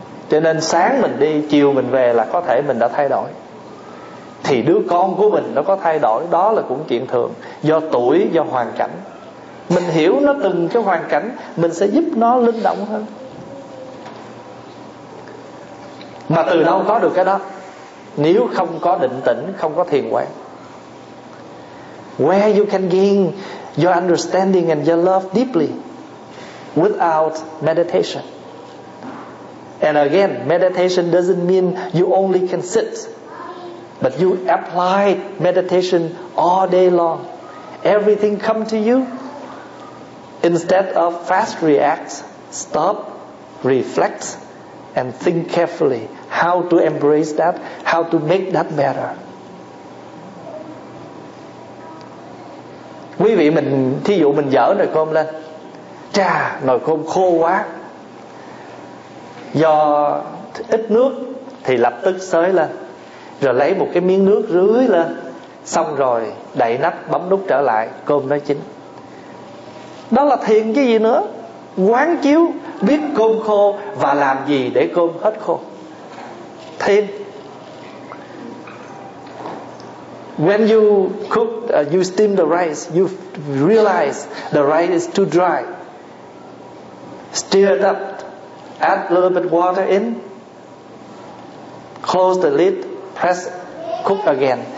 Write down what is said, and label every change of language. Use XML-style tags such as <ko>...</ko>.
<vi>Cho nên sáng mình đi, chiều mình về là có thể mình đã thay đổi. Thì đứa con của mình nó có thay đổi, đó là cũng chuyện thường, do tuổi, do hoàn cảnh. Mình hiểu nó từng cái hoàn cảnh, mình sẽ giúp nó linh động hơn. Mà từ đâu có được cái đó? Nếu không có định tĩnh, không có thiền quán.</vi> <en>Where you can gain your understanding and your love deeply without meditation. And again, meditation doesn't mean you only can sit, but you apply meditation all day long. Everything come to you. Instead of fast react, stop, reflect, and think carefully how to embrace that, how to make that better.</en> <vi>Quý vị mình, thí dụ mình dở nồi cơm lên, chà, nồi cơm khô quá, do ít nước thì lập tức xới lên, rồi lấy một cái miếng nước rưới lên, xong rồi đậy nắp bấm nút trở lại, cơm nó chín. Đó là thiền chứ gì nữa. Quán chiếu biết cơm khô và làm gì để cơm hết khô. Thiền.</vi> <en>When you cook, you steam the rice, you realize the rice is too dry. Stir it up, add a little bit water in, close the lid, press, cook again.</en>